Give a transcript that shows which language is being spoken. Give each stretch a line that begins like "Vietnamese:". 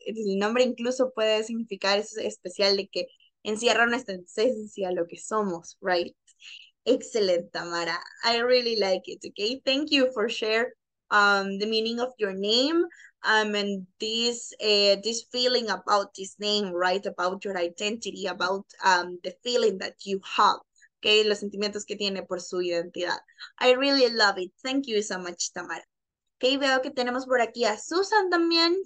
Spanish: El nombre incluso puede significar es especial, de que encierra nuestra esencia, lo que somos, right?
English: Excellent, Tamara. I really like it, okay? Thank you for sharing the meaning of your name, and this feeling about this name, right? About your identity, about the feeling that you have, okay?
Spanish: Los sentimientos que tiene por su identidad.
English: I really love it. Thank you so much, Tamara.
Spanish: Okay, veo que tenemos por aquí a Susan también.